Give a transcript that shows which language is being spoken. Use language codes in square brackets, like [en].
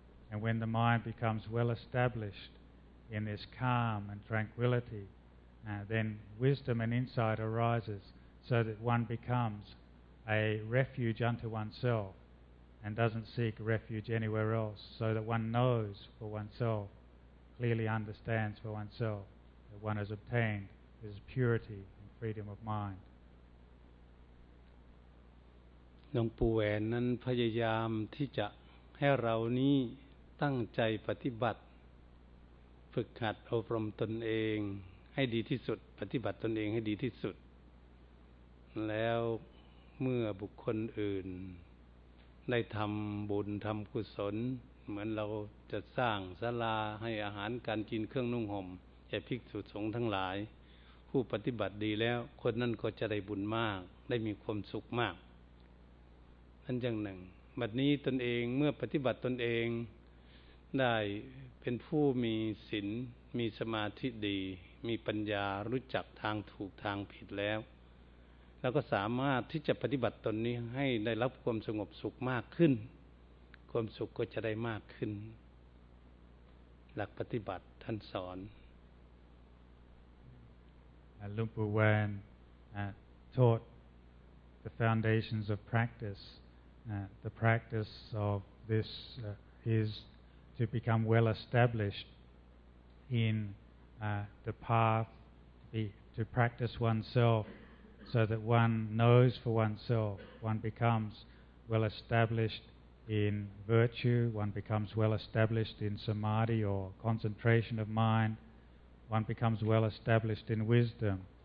[en] And when the mind becomes well established in this calm and tranquility, then wisdom and insight arises so that one becomes a refuge unto oneself and doesn't seek refuge anywhere else, so that one knows for oneself, clearly understands for oneself, that one has obtained this purity and freedom of mind. [th] ลวงปู่แหวนนั้นพยายามที่จะให้เรานี้ตั้งใจปฏิบัติฝึกหัดอบรมตนเองให้ดีที่สุดปฏิบัติตนเองให้ดีที่สุดแล้วเมื่อบุคคลอื่นได้ทำบุญทำกุศลเหมือนเราจะสร้างศาลาให้อาหารการกินเครื่องนุ่งห่มแก่ภิกษุสงฆ์ทั้งหลายผู้ปฏิบัติดีแล้วคนนั้นก็จะได้บุญมากได้มีความสุขมาก อันอย่างหนึ่งบัดนี้ตนเองเมื่อปฏิบัติตนเองได้เป็นผู้มีศีลมีสมาธิดีมีปัญญารู้จักทางถูกทางผิดแล้วเราก็สามารถที่จะปฏิบัติตนนี้ให้ได้รับความสงบสุขมากขึ้นความสุขก็จะได้มากขึ้นหลักปฏิบัติท่านสอน [en] หลวงปู่แหวน taught the foundations of practice the practice of this is to become well established in the path to practice oneselfSo that one knows for oneself, one becomes well established in virtue, one becomes well established in samadhi or concentration of mind, one becomes well established in wisdom.